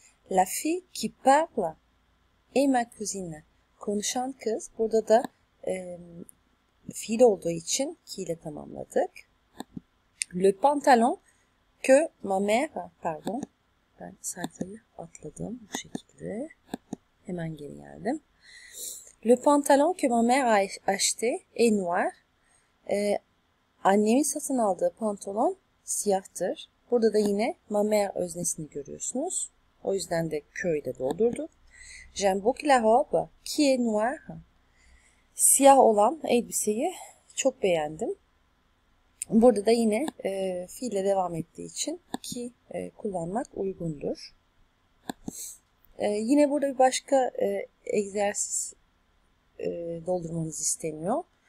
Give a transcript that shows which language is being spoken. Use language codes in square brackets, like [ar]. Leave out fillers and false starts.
[fr] La fille qui parle est ma cousine. [tr] Konuşan kız. Burada da fiil olduğu için ki ile tamamladık. [fr] Le pantalon que ma mère, pardon, [tr] ben sayfayı atladım bu şekilde. Hemen geri geldim. [fr] Le pantalon que ma mère a acheté est noir. [tr] Annemin satın aldığı pantolon siyahtır. Burada da yine ma mère öznesini görüyorsunuz. O yüzden de köyde doldurdum. [fr] J'aime beaucoup la robe qui est noire. [tr] Siyah olan elbiseyi çok beğendim. Burada da yine fiille devam ettiği için ki kullanmak uygundur. Yine burada bir başka egzersiz doldurmanız isteniyor.